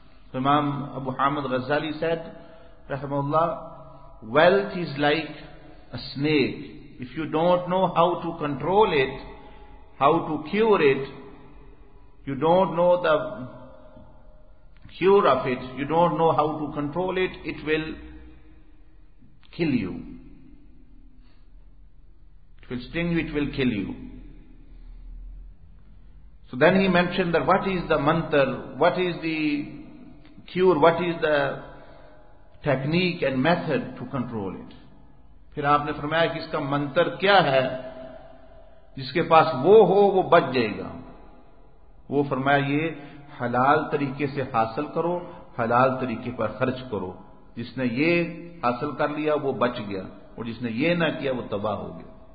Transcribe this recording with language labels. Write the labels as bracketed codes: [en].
[en] تو امام Abu Hamid Ghazali said رحمہ اللہ، wealth is like a snake, if you don't know how to control it, how to cure it, you don't know the cure of it, you don't know how to control it, it will kill you, it will sting you, it will kill you. So then he mention that what is the mantra, what is the cure, what is the technique and method to control it. [ur] پھر آپ نے فرمایا کہ اس کا منتر کیا ہے، جس کے پاس وہ ہو وہ بچ جائے گا. وہ فرمایا یہ حلال طریقے سے حاصل کرو، حلال طریقے پر خرچ کرو. جس نے یہ حاصل کر لیا وہ بچ گیا، اور جس نے یہ نہ کیا وہ تباہ ہو گیا.